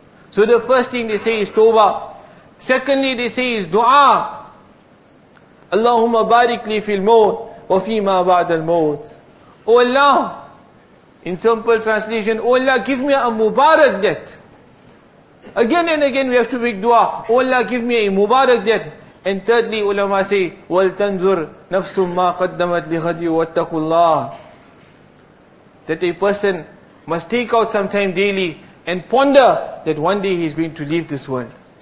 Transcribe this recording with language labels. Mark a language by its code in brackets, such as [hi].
[en] So the first thing they say is tawbah. Secondly, they say is dua. [ar] Allahumma barik li fil maut wa fi ma ba'd al maut. [en] Oh Allah, in simple translation, oh Allah, give me a mubarak death. Again and again we have to make dua. Oh Allah, give me a mubarak death. And thirdly, ulama say, [ar] وَلْتَنْظُرْ نَفْسٌ مَّا قَدَّمَتْ لِغَدِي وَاتَّقُوا اللَّهِ. [en] That a person must take out some time daily and ponder that one day he is going to leave this world.